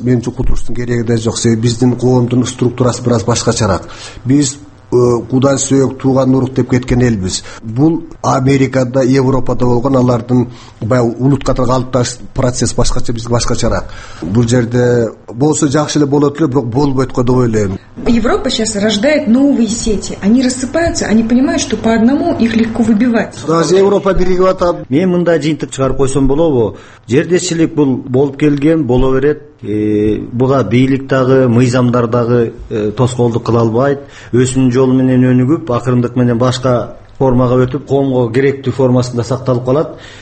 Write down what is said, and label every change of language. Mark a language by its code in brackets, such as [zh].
[ky] Менимче кутулуштун кереги да жок. Себеби биздин коомдун структурасы бир аз башкачарак. Биз кудан сөйөк тууган урук деп кеткен элбиз. Бул Америкада, Европада болгон алардын баягы улут катары калып таш процесс башкача, бизге башкачарак. Бул жерде болсо жакшы эле болот эле, бирок болбойт го деп ойлойм. [ru] Европа сейчас рождает новые сети. Они рассыпаются, они понимают, что по одному их легко выбивать. [ky] Даже Европа биригип атат. Мен мындай жыйынтык чыгарып койсом болобу? Жердечилик бул болуп келген, боло берет. Буга бийлик дагы, мыйзамдар дагы тоскоолдук кыла албайт. Өсүүнүн жолу менен өнүгүп, акырындык менен башка формага өтүп, коомго керектүү формасында сакталып калат.